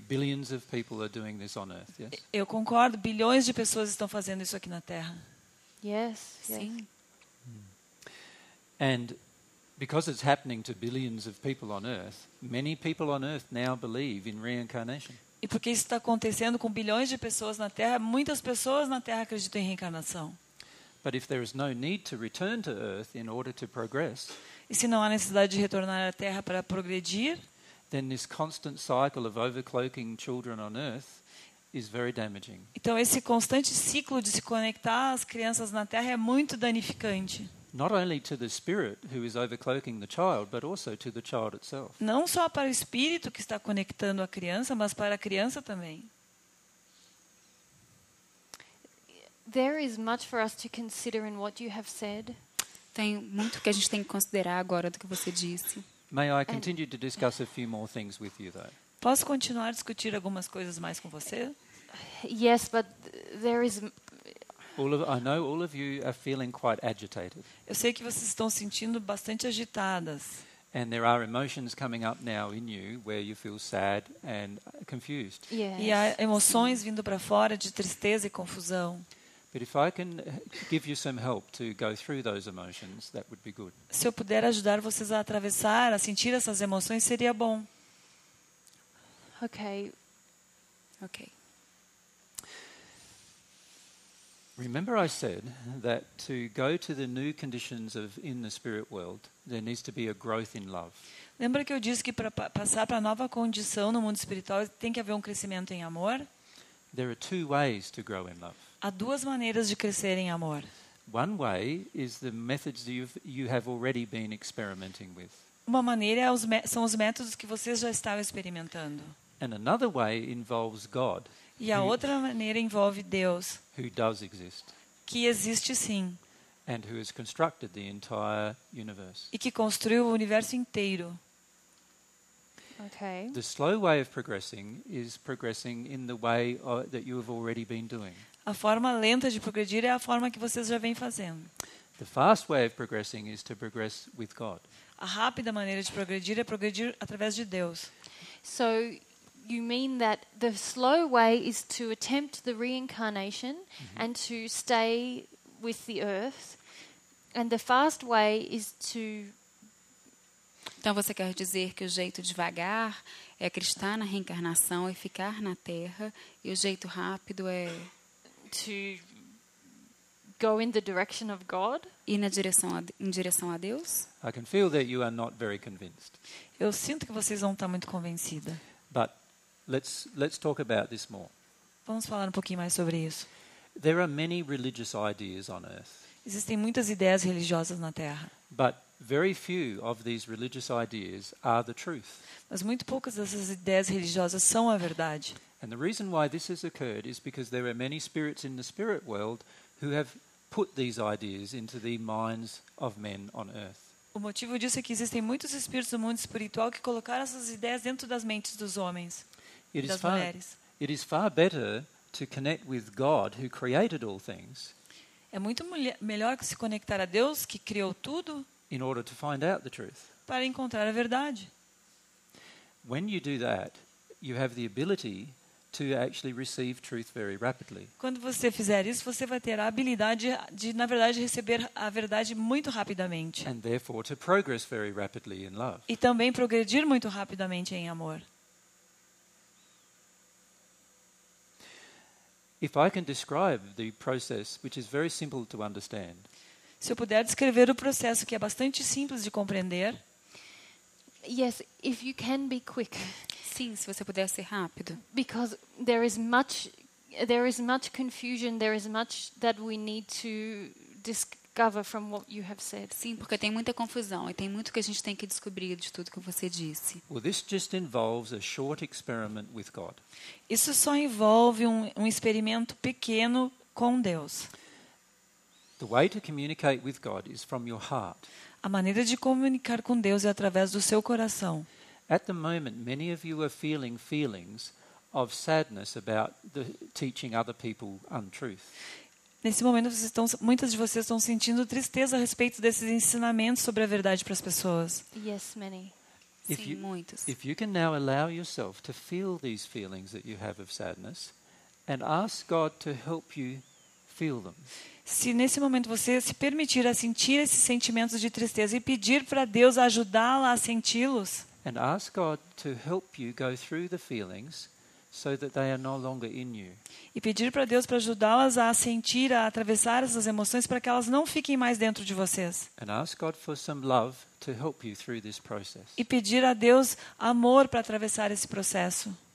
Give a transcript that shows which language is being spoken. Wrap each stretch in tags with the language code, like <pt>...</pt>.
<en>Billions of people are doing this on earth, yes?</en> <pt>Eu concordo. Bilhões de pessoas estão fazendo isso aqui na Terra.</pt> <en>Yes,</en> <pt>sim.</pt> <en>And because it's happening to billions of people on earth, many people on earth now believe in reincarnation.</en> <pt>E porque isso está acontecendo com bilhões de pessoas na Terra, muitas pessoas na Terra acreditam em reencarnação.</pt> <en>But if there is no need to return to earth in order to progress,</en> <pt>e se não há necessidade de retornar à Terra para progredir,</pt> <en>then this constant cycle of overcloaking children on earth is very damaging.</en> <pt>Então esse constante ciclo de se conectar às crianças na Terra é muito danificante.</pt> <en>Not only to the spirit who is overcloaking the child, but also to the child itself.</en> <pt>Não só para o espírito que está conectando a criança, mas para a criança também.</pt> <en>There is much for us to consider in what you have said.</en> <pt>Tem muito que a gente tem que considerar agora do que você disse.</pt> <en>May I continue to discuss a few more things with you, though?</en> <pt>Posso continuar a discutir algumas coisas mais com você?</pt> <en>Yes, but there is. I know all of you are feeling quite agitated.</en> <pt>Eu sei que vocês estão sentindo bastante agitadas.</pt> <en>And there are emotions coming up now in you where you feel sad and confused. Yes.</en> <pt>E há emoções vindo para fora de tristeza e confusão.</pt> <en>But if I can give you some help to go through those emotions, that would be good.</en> <pt>Se eu puder ajudar vocês a atravessar, a sentir essas emoções, seria bom.</pt> <en>Okay. Okay. Remember I said that to go to the new conditions of in the spirit world there needs to be a growth in love.</en> <pt>Lembra que eu disse que para passar para a nova condição no mundo espiritual tem que haver um crescimento em amor?</pt> <en>There are two ways to grow in love.</en> <pt>Há duas maneiras de crescer em amor.</pt> <en>One way is the methods you have already been experimenting with.</en> <pt>Uma maneira são os métodos que vocês já estavam experimentando.</pt> <en>And another way involves God.</en> <pt>E a outra maneira envolve Deus,</pt> <en>who does exist,</en> <pt>que existe sim,</pt> <en>and who has constructed the entire universe.</en> <pt>E que construiu o universo inteiro.</pt> <en>Okay. The slow way of progressing is progressing in the way that you have already been doing.</en> <pt>A forma lenta de progredir é a forma que vocês já vêm fazendo.</pt> <en>The fast way of progressing is to progress with God.</en> <pt>A rápida maneira de progredir é progredir através de Deus.</pt> <en>So you mean that the slow way is to attempt the reincarnation and to stay with the earth, and the fast way is to...</en> <pt>Então você quer dizer que o jeito devagar é acreditar na reencarnação e ficar na Terra, e o jeito rápido é</pt> <en>to go in the direction of God?</en> <pt>Ir na direção em direção a Deus?</pt> <en>I can feel that you are not very convinced.</en> <pt>Eu sinto que vocês não estão muito convencidas.</pt> <en>But let's talk about this more.</en> <pt>Vamos falar um pouquinho mais sobre isso.</pt> <en>There are many religious ideas on earth.</en> <pt>Existem muitas ideias religiosas na Terra.</pt> <en>But very few of these religious ideas are the truth.</en> <pt>Mas muito poucas dessas ideias religiosas são a verdade.</pt> <en>And the reason why this has occurred is because there are many spirits in the spirit world who have put these ideas into the minds of men on earth.</en> <pt>O motivo disso é que existem muitos espíritos do mundo espiritual que colocaram essas ideias dentro das mentes dos homens e das mulheres.</pt> <en>It is far better to connect with God who created all things.</en> <pt>É muito melhor se conectar a Deus que criou tudo.</pt> <en>In order to find out the truth.</en> <pt>Para encontrar a verdade.</pt> <en>When you do that, you have the ability to actually receive truth very rapidly.</en> <pt>Quando você fizer isso, você vai ter a habilidade de, na verdade, receber a verdade muito rapidamente.</pt> <en>And therefore to progress very rapidly in love.</en> <pt>E também progredir muito rapidamente em amor.</pt> <en>If I can describe the process, which is very simple to understand.</en> <pt>Se eu puder descrever o processo, que é bastante simples de compreender.</pt> <en>Yes, if you can be quick.</en> <pt>Sim, se você puder ser rápido.</pt> <en>Because there is much confusion, there is much that we need to discover from what you have said.</en> <pt>Sim, porque tem muita confusão e tem muito que a gente tem que descobrir de tudo que você disse.</pt> <en>Well, this just involves a short experiment with God.</en> <pt>Isso só envolve um experimento pequeno com Deus.</pt> <en>The way to communicate with God is from your heart.</en> <pt>A maneira de comunicar com Deus é através do seu coração.</pt> <en>At the moment, many of you are feeling feelings of sadness about the teaching other people untruth.</en> <pt>Nesse momento, muitas de vocês estão sentindo tristeza a respeito desses ensinamentos sobre a verdade para as pessoas.</pt> <en>Yes, many.</en> <pt>Sim, muitos.</pt> <en>If you can now allow yourself to feel these feelings that you have of sadness and ask God to help you feel them.</en> <pt>Se nesse momento você se permitir a sentir esses sentimentos de tristeza e pedir para Deus ajudá-la a senti-los.</pt> <en>And ask God to help you go through the feelings so that they are no longer in you.</en> <pt>E pedir para Deus para ajudá-las a sentir, a atravessar essas emoções para que elas não fiquem mais dentro de vocês.</pt> <en>And ask God for some love to help you through this process.</en> <pt>E pedir a Deus amor para atravessar esse processo.</pt>